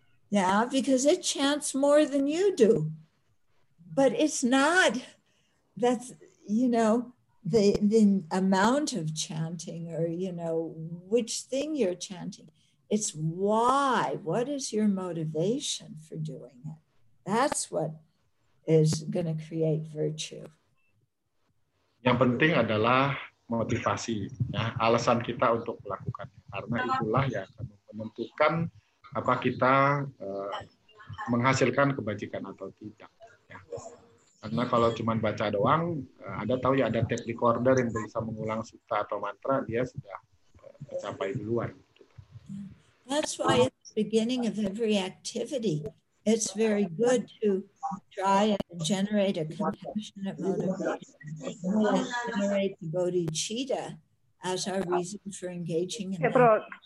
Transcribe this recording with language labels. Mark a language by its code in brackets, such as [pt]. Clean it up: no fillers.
[en] Yeah, because it chants more than you do. But it's not that, you know, the amount of chanting or, you know, which thing you're chanting. It's why. What is your motivation for doing it? That's what is going to create virtue. [id] Yang penting adalah motivasi, ya, alasan kita untuk melakukannya. Karena itulah yang akan menentukan apa kita menghasilkan kebajikan atau tidak. Ya. Karena kalau cuma baca doang, ada tahu ya ada tape recorder yang bisa mengulang sutta atau mantra, dia sudah tercapai duluan. [en] That's why at the beginning of every activity, it's very good to try and generate a compassionate motivation and generate the bodhicitta as our reason for engaging in that.